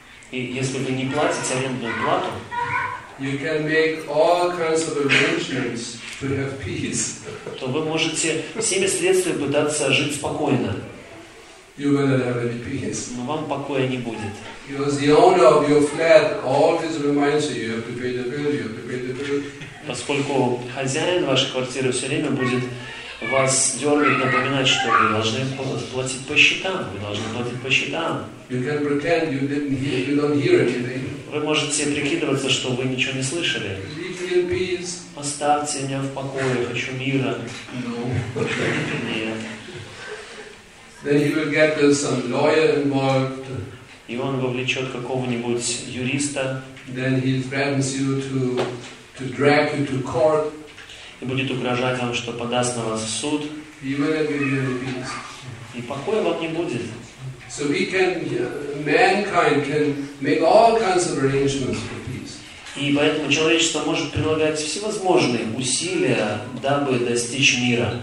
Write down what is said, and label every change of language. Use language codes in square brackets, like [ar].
[ru] И если вы не платите арендную плату, [en] you can make all kinds of arrangements to have peace. [ru] То вы можете всеми средствами пытаться жить спокойно. Но вам покоя не будет. Поскольку хозяин вашей квартиры все время будет вас дергать, напоминать, что вы должны платить по счетам. Вы должны платить по счетам. Вы можете прикидываться, что вы ничего не слышали. Оставьте меня в покое, хочу мира. Нет. [en] Then he will get some lawyer involved. [ru] И он вовлечет какого-нибудь юриста. [en] Then he threatens you to drag you to court. [ru] И будет угрожать вам, что подаст на вас в суд. [en] He will not give you peace. [ru] И покоя вам не будет. [en] So we can, mankind can make all kinds of arrangements for peace. [ru] И поэтому человечество может прилагать всевозможные усилия, дабы достичь мира.